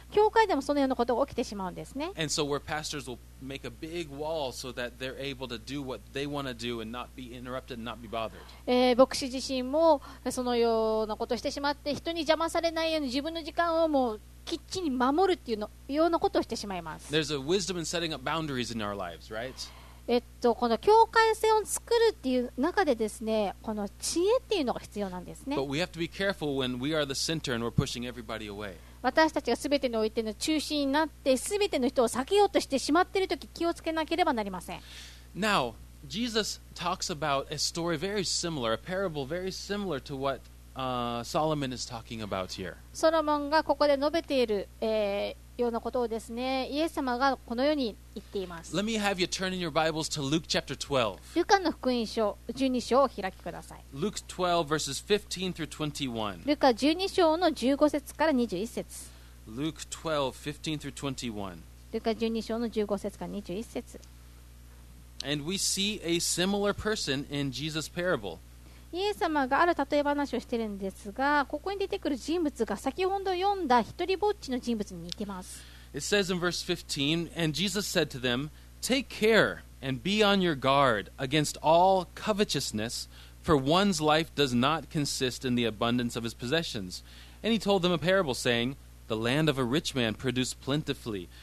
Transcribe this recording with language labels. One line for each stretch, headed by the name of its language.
Japanese: 教会でもそのようなことが起きてしまうんですね。
English: And so where pastors will make a big wall so that they're able to do what they want to do and not be interrupted and not be bothered.
Japanese: 牧師自身もそのようなことをしてしまって人に邪魔されないように自分の時間をもうきっちり守るっていうのようなことをしてしまいます。
English: There's a wisdom in setting up boundaries in our lives, right?
Japanese: この境界線を作るっていう中でですね、この知恵っていうのが必要なんですね。
English: But we have to be careful when we are the center and we're pushing everybody away.
Japanese: 私たちが全てにおいての中心になって、全ての人を避けようとしてしまっているとき、気をつけなければなりません。
English: Now, Jesus talks about a story very similar, a parable very similar to what Solomon is talking about here.
Japanese: ソロモンがここで述べている、ようなことをですね、イエス様がこのように言っています。
English: Let me have you turn in your Bibles to Luke chapter 12.
Japanese: ルカの福音書12章を開きください。
English: Luke 12 verses 15 through 21.
Japanese: ルカ12章の15節から21節。
English: Luke 12 15 through 21.
Japanese: ルカ12章の15節から21節。
English: And we see a similar person in Jesus' parable.
Japanese: イエス様がある例え話をしているんですが、ここに出てくる人物が先ほど読んだ一人ぼっちの人物に似てます。
English: It says in verse 15, and Jesus said to them, Take care and be on your guard against all covetousness, for one's life does not consist in the abundance of his possessions. And he told them a parable saying, The land of a rich man produced plentifully.